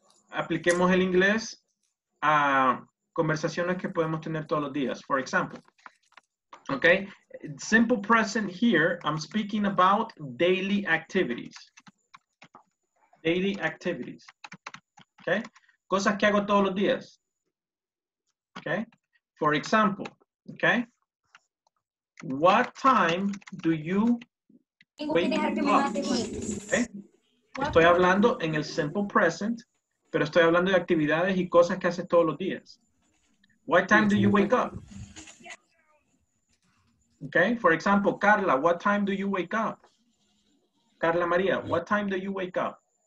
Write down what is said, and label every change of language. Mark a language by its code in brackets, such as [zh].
[es] Apliquemos el inglés a conversaciones que podemos tener todos los días. [en] For example, okay, simple present here, I'm speaking about daily activities. Daily activities, [es] okay? Cosas que hago todos los días, okay? [en] For example, okay, what time do you wake up? Okay? [es] Estoy hablando en el simple present Pero estoy hablando de actividades y cosas que haces todos los días. [en] What time do you wake up? Okay, for example, Carla, what time do you wake up? Carla Maria, what time do you wake up?